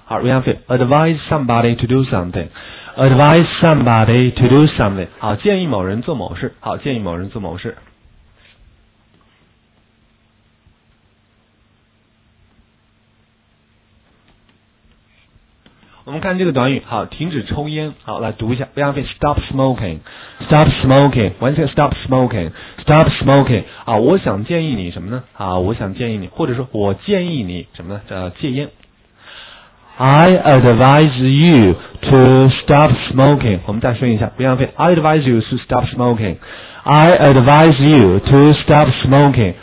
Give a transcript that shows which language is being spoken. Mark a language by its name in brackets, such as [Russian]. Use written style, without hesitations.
[English] 好， Ryan Fei， advise somebody to do somethingAdvise somebody to do something。 [Chinese] 好，建议某人做某事。好，建议某人做某事。我们看这个短语，好，停止抽烟。好，来读一下 Ryan Fei， [English] stop smoking。 Stop smoking， [Chinese] 完全 [English] stop smoking。Stop smoking。 [Chinese] 啊，我想建议你什么呢？啊，我想建议你，或者说我建议你什么呢？戒烟。 [English] I advise you to stop smoking。 [Chinese] 我们再说一下不一样的 [English] I advise you to stop smoking。 [Chinese] I advise you to stop smoking。